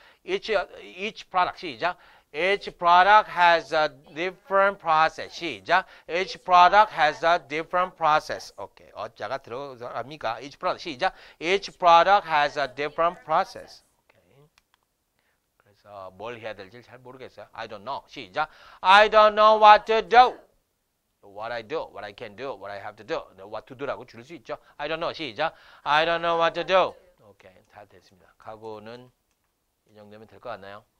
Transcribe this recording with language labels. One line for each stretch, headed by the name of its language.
English: Each product 시작. Each product has a different process 시작. Each product has a different process. Okay.
Korean: 어쩌가 들어갑니까?
English: Each product 시작. Each product has a different process. Okay.
Korean: 그래서 뭘 해야 될지 잘 모르겠어요.
English: I don't know. 시작. I don't know what to do. What I do, what I can do, what I have to do. What to do라고
Korean: 줄 수 있죠.
English: I don't know. 시작. I don't know what to do.
Korean: 오케이 다 됐습니다. 가구는 이 정도면 될 것 같나요?